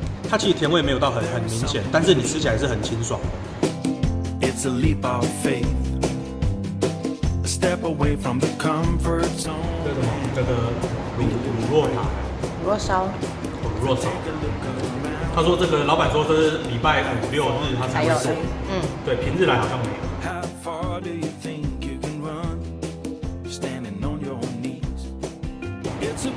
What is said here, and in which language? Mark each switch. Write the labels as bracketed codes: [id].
[zh] 它其实甜味没有到很明显，但是你吃起来是很清爽的。 [en] It's a leap of faith, a step away from the comfort zone. [zh] 这个卤肉烧。哦，卤肉烧。他说这个老板说这是礼拜五六日他才有，嗯，对，平日来好像没有。 [en] How far do you think you can run? Standing on your knees. It's a